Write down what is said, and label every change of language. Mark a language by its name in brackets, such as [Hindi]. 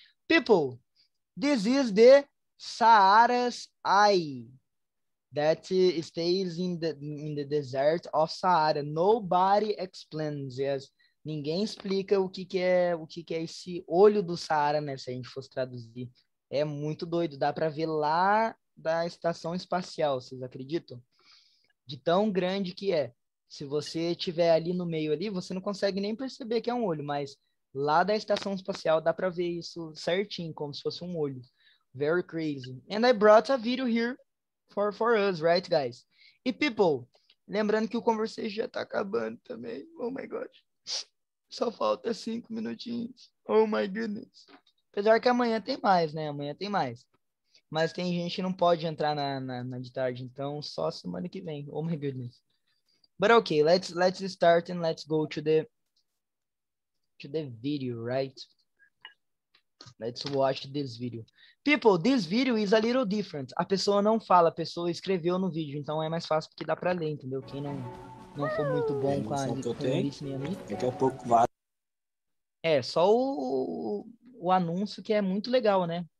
[English] People, this is the Sahara's eye that stays in the desert of Sahara. Nobody explains, yes. [Portuguese] Ninguém explica o que que é esse olho do Saara, né? Se a gente fosse traduzir. É muito doido. Dá para ver lá da estação espacial, vocês acreditam? De tão grande que é. Se você estiver ali no meio ali, você não consegue nem perceber que é um olho, mas lá da estação espacial dá para ver isso certinho, como se fosse um olho. [English] Very crazy. And I brought a video here for us, right, guys? [Portuguese] E people, lembrando que o conversation já tá acabando também. [English] Oh my God. [Portuguese] Só falta 5 minutinhos. [English] Oh my goodness. [Portuguese] Apesar que amanhã tem mais, né? Amanhã tem mais. Mas tem gente que não pode entrar na de tarde, então só semana que vem. [English] Oh my goodness. But okay, let's start and let's go to the video, right? Let's watch this video. People, this video is a little different. [Portuguese] A pessoa não fala, a pessoa escreveu no vídeo, então é mais fácil porque dá para ler, entendeu? Quem não foi muito bom com a listening ali. Daqui a pouco vai. É, só o anúncio que é muito legal, né?